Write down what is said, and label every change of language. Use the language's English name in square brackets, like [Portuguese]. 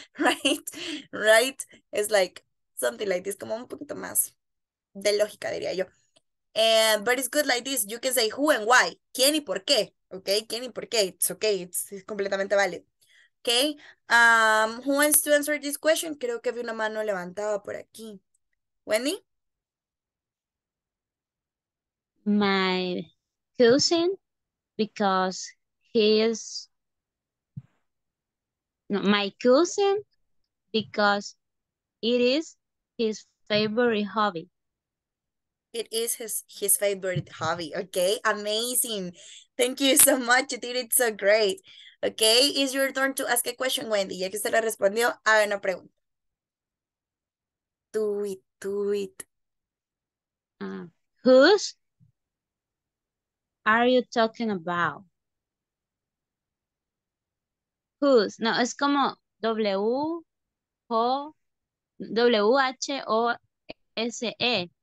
[English] Right? Right? It's like something like this, [Spanish] como un poquito más de lógica, diría yo. [English] But it's good like this. You can say who and why. [Spanish] ¿Quién y por qué? [English] Okay, ¿quién y por qué? It's okay. It's completamente valid. Okay. Who wants to answer this question? [Spanish] Creo que vi una mano levantada por aquí. [English] Wendy? My cousin, because he is no, my cousin, because it is his favorite hobby. It is his favorite hobby. Okay, amazing. Thank you so much. You did it so great. Okay, it's your turn to ask a question, Wendy. [Spanish] Ya que usted le respondió, haga una pregunta. [English] Do it. Who's are you talking about? [Spanish] Who's? No, es como W-H-O-S-E.